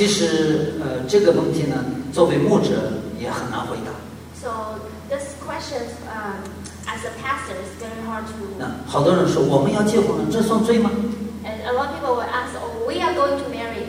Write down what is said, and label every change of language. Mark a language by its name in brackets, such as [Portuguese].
[Chinese] 其实这个问题呢，作为牧者也很难回答。 [English] So this question, as a pastor, is very hard to. [Chinese] 那好多人说我们要结婚了，这算罪吗 [English] ？And a lot of people will ask, "Oh, we are going to marry.